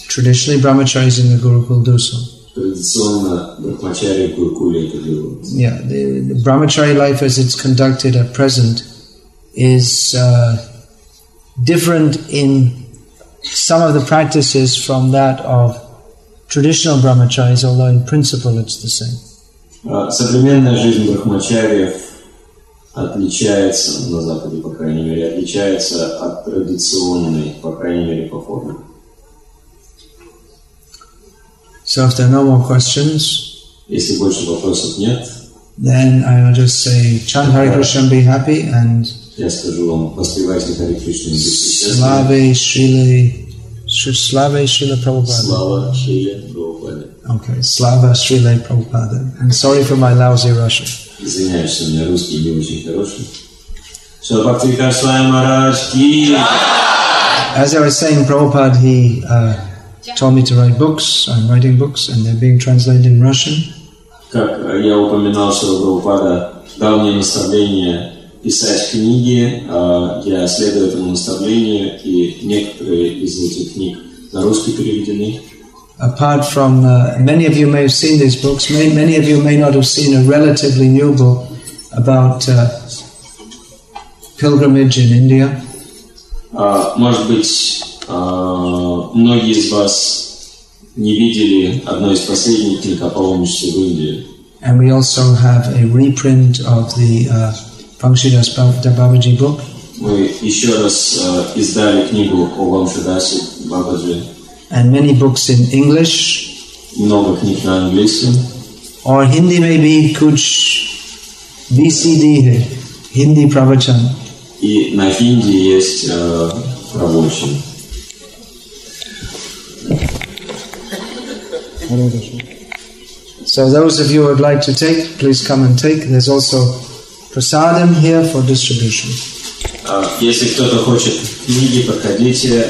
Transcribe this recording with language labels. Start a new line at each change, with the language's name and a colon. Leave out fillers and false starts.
English: Traditionally, brahmacharis in the Gurukul do so.
Russian: Традиционно брахмачари в Гурукуле это делают.
English: Yeah, the brahmachari life as it's conducted at present is different in some of the practices from that of traditional brahmacharis, although in principle it's the same.
Russian: Современная жизнь брахмачариев отличается, на Западе, по крайней мере, отличается от традиционной, по крайней мере, по форме.
English: So if there are no more questions,
Russian: если больше вопросов нет,
English: then I will just say, chant Hare Krishna, be happy, and
Russian: я скажу вам, воспевайте Hare Krishna, будьте счастливы. Slava Shrila, Slava Shrila Prabhupada. Slava Shrila Prabhupada.
English: Okay,
Russian: Slava Shrila Prabhupada.
English: And sorry for my lousy Russian.
Russian: Извиняюсь, у меня русский не очень хороший. Шрила Бхактивинода Свами Махарадж ки.
English: As I was saying, Prabhupada, he told me to write books. I'm writing books, and they're being translated in Russian.
Russian: Как я упоминал, что Прабхупада дал мне наставление писать книги. Я следую этому наставлению, и некоторые из этих книг на русский переведены.
English: Apart from many of you may have seen these books, many of you may not have seen a relatively new book about pilgrimage in India.
Russian: Может быть, многие из вас не видели одно из последних книг о паломничестве в Индии.
English: And we also have a reprint of the Bhaktisiddhanta Sarasvati Babaji book.
Russian: Мы еще раз издали книгу о Бхактисиддханте Бабаджи.
English: And many books in English.
Russian: Много книг на английском.
English: Or Hindi maybe
Hindi: kuch VCD hai, Hindi pravachan.
Russian: И на хинди есть правочин.
English: So those of you who would like to take, please come and take. There's also prasadam here for distribution.
Russian: Если кто-то хочет книги, подходите.